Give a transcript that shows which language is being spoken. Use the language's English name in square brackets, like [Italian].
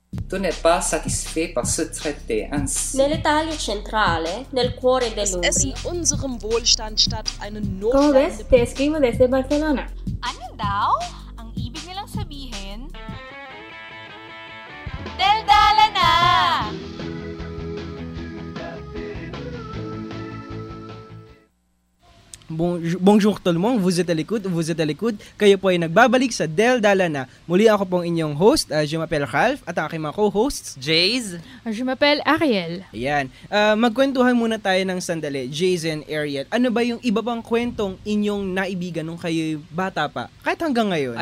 [French] Tu n'es pas satisfait par ce traité ainsi. [Italian] Nell'Italia centrale, nel cuore dell'Umbria. [German] Es ist in unserem Wohlstand statt eine Notlage. [Spanish] Como ves, te escribo desde Barcelona. [Filipino] Ano daw? Ang ibig nilang sabihin... Daldala na! [French] Bonjour tout le monde, vous êtes à l'écoute. [Filipino] Kayo po ay nagbabalik sa Del Dala na. Muli ako pong inyong host, [French] je m'appelle Ralph, [Filipino] at ang aking mga co-hosts, Jays. [French] Je m'appelle Ariel. [Filipino] Ayan. Magkwentuhan muna tayo ng sandali, Jays and Ariel. Ano ba yung iba pang kwentong inyong naibigan nung kayo'y bata pa? Kahit hanggang ngayon.